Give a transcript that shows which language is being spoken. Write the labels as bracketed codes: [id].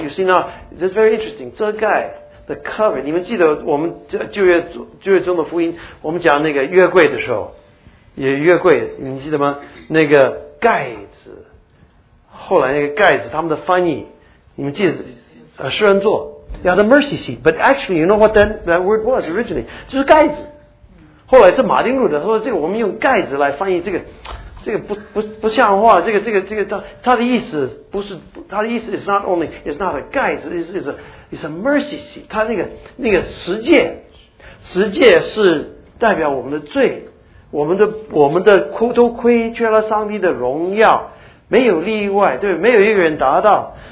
[en] You see now， it's very interesting。 [zh] 遮盖 [en] the cover， [zh] 你们记得我们旧约中的福音，我们讲那个约柜的时候，也约柜，你记得吗？那个盖子，后来那个盖子，他们的翻译。你们记得，施恩座 ，yeah， [en] the mercy seat。 But actually， you know what that word was originally， [zh] 就是盖子。后来是马丁路德说，这个我们用盖子来翻译，这个不像话。这个他的意思不是，他的意思 [en] is not a [zh] 盖子 ， [en] is a mercy seat。 [zh] 他那个十诫是代表我们的罪，我们的都亏缺了上帝的荣耀，没有例外，对，没有一个人达到。